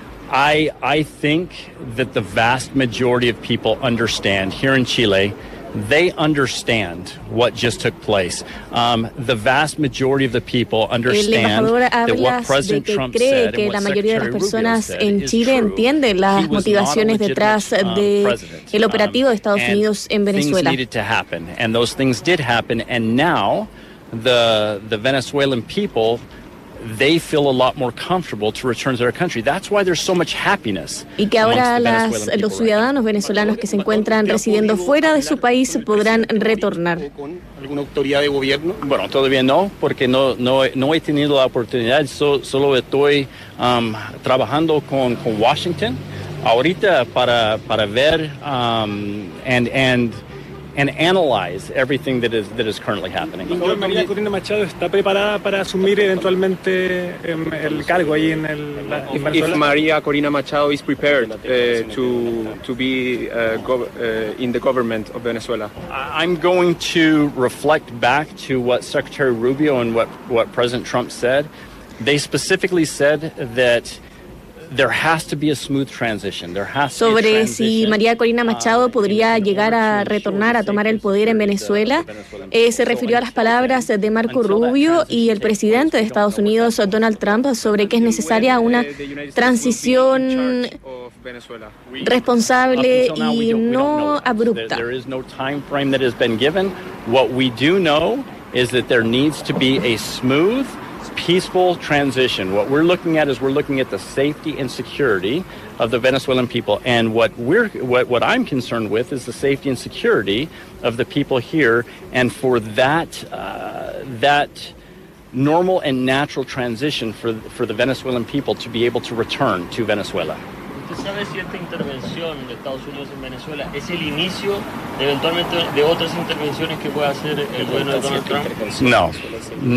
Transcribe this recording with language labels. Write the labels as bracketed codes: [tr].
[en] I think that the vast majority of people understand here in Chile. They understand what just took place. The vast majority of the people understand that what President Trump said and what Secretary Rubio said is true. [es] En Chile entiende las motivaciones detrás de el operativo de Estados Unidos en Venezuela. [en] Things needed to happen, and those things did happen. And now, the Venezuelan people, they feel a lot more comfortable to return to their country. That's why there's so much happiness. [es] Y que ahora los ciudadanos venezolanos que se encuentran residiendo fuera de su país podrán retornar. ¿Con alguna autoridad de gobierno? Bueno, todavía no, porque no he tenido la oportunidad. Solo estoy trabajando con Washington ahorita para ver [en] and analyze everything that is currently happening. [es] María Corina Machado está preparada para asumir eventualmente el cargo ahí en el. [en] If María Corina Machado is prepared to be in the government of Venezuela. I'm going to reflect back to what Secretary Rubio and what President Trump said. They specifically said that there has to be a smooth transition. There has to [es] sobre [en] be a transition. [es] Si María Corina Machado podría llegar a retornar a tomar el poder en Venezuela, se refirió a las palabras de Marco Rubio y el presidente de Estados Unidos, Donald Trump, sobre que es necesaria una transición responsable y no abrupta. [en] There is no time frame that has been given. What we do know is that there needs to be a smooth peaceful transition. What we're looking at is we're looking at the safety and security of the Venezuelan people, and what I'm concerned with is the safety and security of the people here, and for that normal and natural transition for the Venezuelan people to be able to return to Venezuela. [es] ¿Usted sabe si esta intervención de Estados Unidos en Venezuela es el inicio eventualmente de otras intervenciones que pueda hacer el gobierno de Donald Trump?